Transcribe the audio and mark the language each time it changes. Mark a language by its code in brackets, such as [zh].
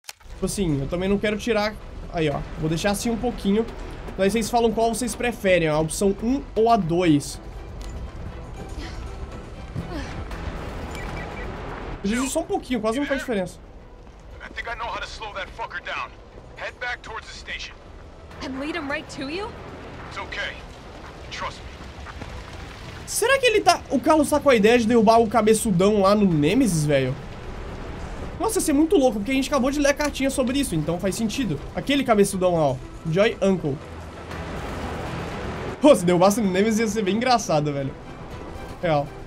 [pt] Tipo assim, eu também não quero tirar... Aí, ó. Vou deixar assim um pouquinho. Daí vocês falam qual vocês preferem, a opção 1 ou a 2. Eu só um pouquinho, quase não faz diferença. Eu acho que eu sei como [en] slow that fucker down. Head back towards the station. And lead him right to you? It's okay. Trust me. [pt] Será que ele tá... O Carlos tá com a ideia de derrubar o cabeçudão lá no Nemesis, velho? Nossa, ia ser muito louco, porque a gente acabou de ler a cartinha sobre isso, então faz sentido. Aquele cabeçudão lá, ó. Joy Uncle. Pô, se derrubasse no Nemesis ia ser bem engraçado, velho. É, ó.